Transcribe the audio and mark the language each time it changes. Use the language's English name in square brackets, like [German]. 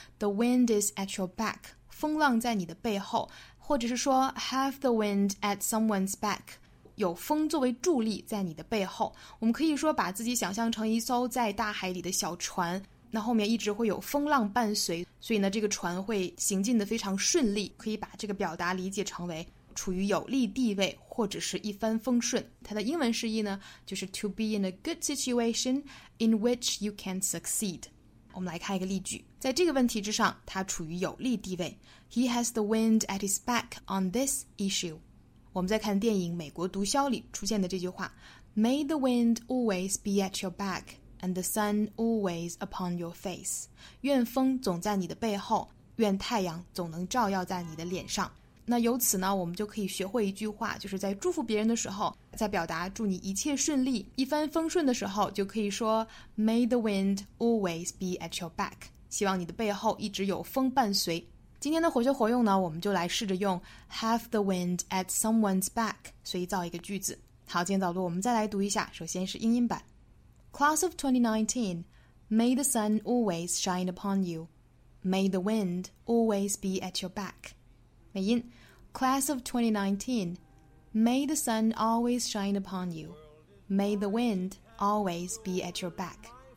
[Chinese] The wind is at your back，风浪在你的背后，或者是说 Have the wind at someone's back，有风作为助力在你的背后。我们可以说把自己想象成一艘在大海里的小船，那后面一直会有风浪伴随，所以呢这个船会行进得非常顺利，可以把这个表达理解成为处于有利地位或者是一帆风顺。 [English] 它的英文释义呢，就是 to be in a good situation in which you can succeed。 [Chinese] 我们来看一个例句，在这个问题之上它处于有利地位。 [English] He has the wind at his back on this issue。我们再看电影《美国毒枭》里出现的这句话， May the wind always be at your back and the sun always upon your face。 [Chinese] 愿风总在你的背后，愿太阳总能照耀在你的脸上。那由此呢，我们就可以学会一句话，就是在祝福别人的时候，在表达祝你一切顺利一帆风顺的时候，就可以说 May the wind always be at your back，希望你的背后一直有风伴随。今天的活学活用呢，我们就来试着用 have the wind at someone's back 随造一个句子。好，今天早读我们再来读一下，首先是英音版。 [English] Class of 2019, may the sun always shine upon you. May the wind always be at your back. 美音 Class of 2019, may the sun always shine upon you. May the wind always be at your back.